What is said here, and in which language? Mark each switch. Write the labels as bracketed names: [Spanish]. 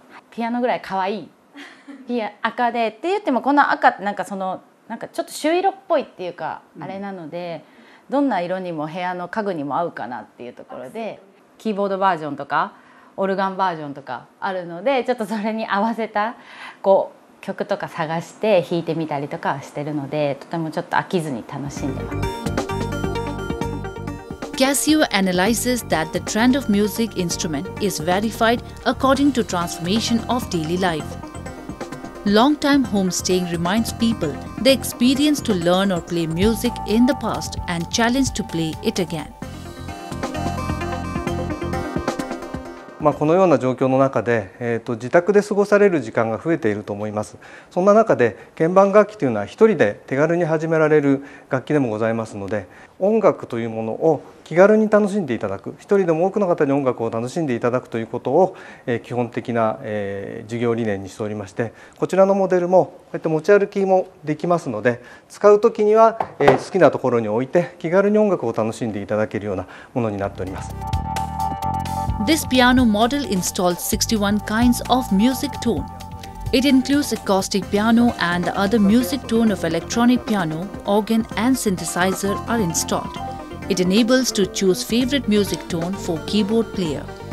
[Japanese] ピアノぐらい可愛い赤でって言っても、この赤ってなんかちょっと朱色っぽいっていうかあれなので、どんな色にも部屋の家具にも合うかなっていうところで、キーボードバージョンとかオルガンバージョンとかあるので、ちょっとそれに合わせたこう曲とか探して弾いてみたりとかしてるので、とてもちょっと飽きずに楽しんでます。 [English] Casio analyzes that the trend of music instrument is verified according to transformation of daily life. Long-time homestaying reminds people the experience to learn or play music in the past and challenge to play it again. [Japanese] このような状況の中で、自宅で過ごされる時間が増えていると思います。そんな中で鍵盤楽器というのは一人で手軽に始められる楽器でもございますので、音楽というものを気軽に楽しんでいただく、一人でも多くの方に音楽を楽しんでいただくということを基本的な事業理念にしておりまして、こちらのモデルもこうやって持ち歩きもできますので、使う時には好きなところに置いて気軽に音楽を楽しんでいただけるようなものになっております。 [English] This piano model installs 61 kinds of music tone. It includes acoustic piano and the other music tone of electronic piano, organ and synthesizer are installed. It enables to choose favorite music tone for keyboard player.